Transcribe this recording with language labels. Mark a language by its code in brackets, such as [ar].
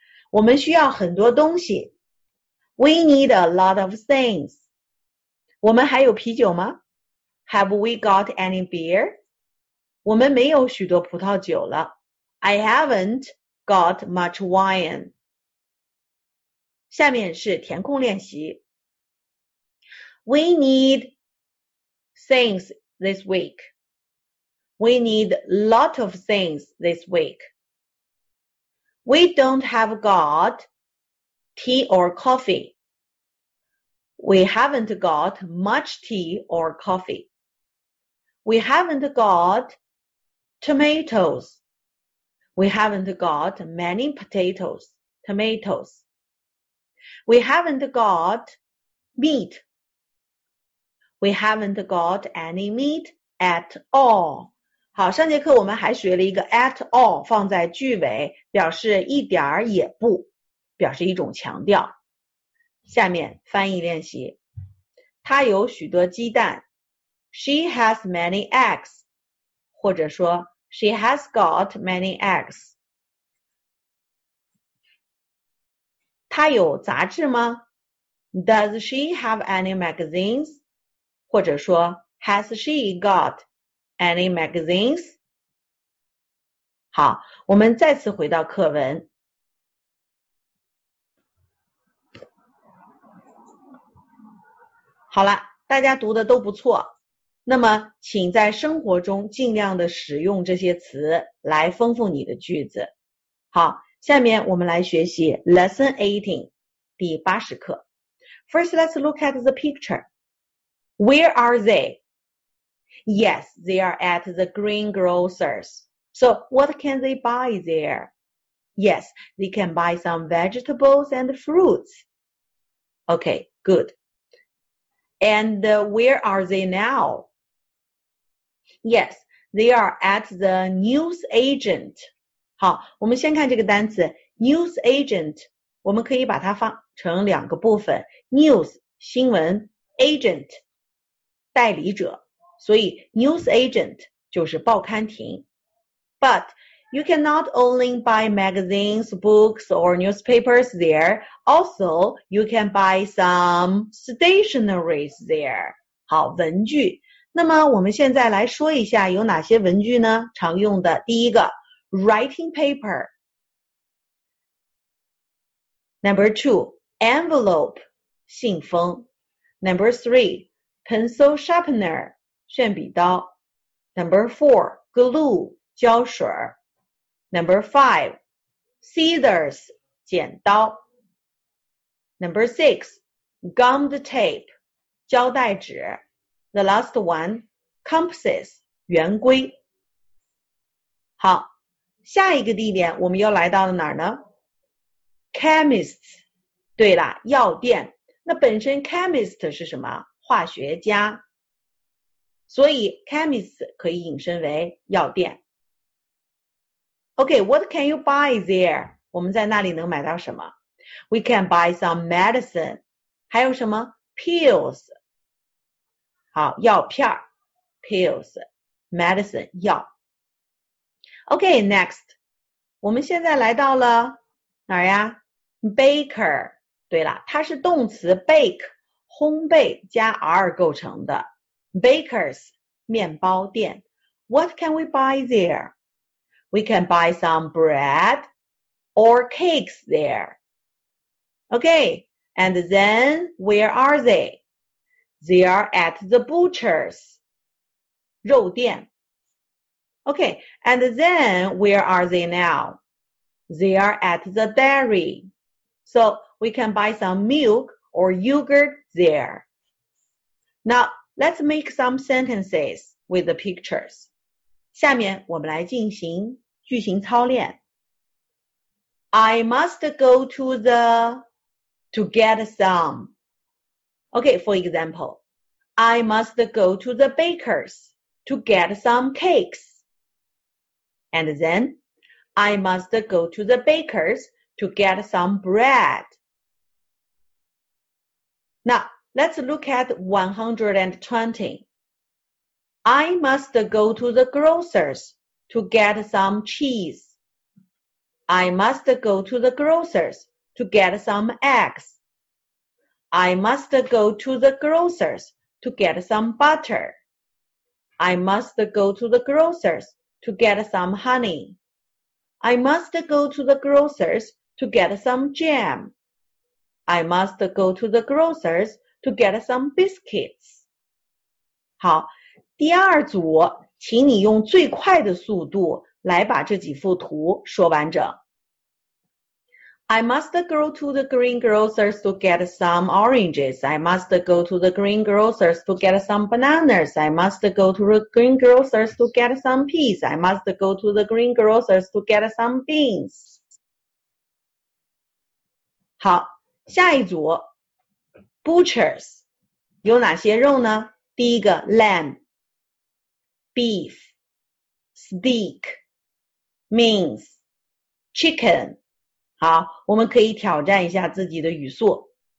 [zh] 我们需要很多东西。 [en] We need a lot of things. [zh] 我们还有啤酒吗？ [en] Have we got any beer? [zh] 我们没有许多葡萄酒了。 [en] I haven't got much wine. [zh] 下面是填空练习。 [en] We need things this week. We need lot of things this week. We don't have got tea or coffee. We haven't got much tea or coffee. We haven't gottomatoes. We haven't got many potatoes, tomatoes. We haven't got meat. We haven't got any meat at all. [zh] 好，上节课我们还学了一个 at all 放在句尾，表示一点儿也不，表示一种强调。下面翻译练习。她有许多鸡蛋。 [en] She has many eggs. [zh] 或者说 [en] She has got many eggs. [zh] 她有杂志吗? [en] Does she have any magazines? [zh] 或者说, [en] has she got any magazines? [zh] 好,我们再次回到课文。好了,大家读的都不错。那么请在生活中尽量的使用这些词来丰富你的句子。好，下面我们来学习 Lesson 18, 第80课。 [en] First, let's look at the picture. Where are they? Yes, they are at the greengrocer's. So what can they buy there? Yes, they can buy some vegetables and fruits. Okay, good. And where are they now? Yes, they are at the news agent. [zh] 好，我们先看这个单词 news agent。我们可以把它放成两个部分 news 新闻 agent 代理者，所以 news agent 就是报刊亭。 [en] But you cannot only buy magazines, books, or newspapers there. Also, you can buy some stationaries there. [zh] 好，文具。那么我们现在来说一下有哪些文具呢？常用的第一个 writing paper。 [en] Number two, envelope, 信封。 Number three, pencil sharpener, 铅笔刀。 Number four, glue, 胶水。 Number five, scissors, 剪刀。 Number six, gummed tape, 胶带纸。 The last one, compasses, 圆规。 [zh] 好，下一个地点我们又来到了哪儿呢？ Chemist, 对啦，药店。那本身 chemist 是什么？化学家。所以 chemist 可以引申为药店。 [en] Okay, what can you buy there? [zh] 我们在那里能买到什么？ [en] We can buy some medicine. [zh] 还有什么？Pills. 好，药片。Pills. Medicine, 药。 [en] Okay, next. [zh] 我们现在来到了哪儿呀？ Baker, 对了，它是动词 bake, 烘焙加 r 构成的。 [en] Bakers, 面包店。What can we buy there? We can buy some bread or cakes there. Okay, and then where are they? They are at the butcher's, 肉店。 Okay, and then where are they now? They are at the dairy. So, we can buy some milk or yogurt there. Now, let's make some sentences with the pictures. [zh] 下面我们来进行句型操练。 [en] I must go to the... to get some. Okay, for example, I must go to the baker's to get some cakes. And then, I must go to the baker'sTo get some bread. Now, let's look at 120. I must go to the grocer's to get some cheese. I must go to the grocer's to get some eggs. I must go to the grocer's to get some butter. I must go to the grocer's to get some honey. I must go to the grocer'sTo get some jam. I must go to the grocer's to get some biscuits. [zh] 好，第二组，请你用最快的速度来把这几幅图说完整。 [en] I must go to the greengrocer's to get some oranges. I must go to the greengrocer's to get some bananas. I must go to the greengrocer's to get some peas. I must go to the greengrocer's to get some beans. [zh] 好，下一组 ,butchers, 有哪些肉呢？第一个 ,lamb, beef, steak, mince, chicken, 好，我们可以挑战一下自己的语速。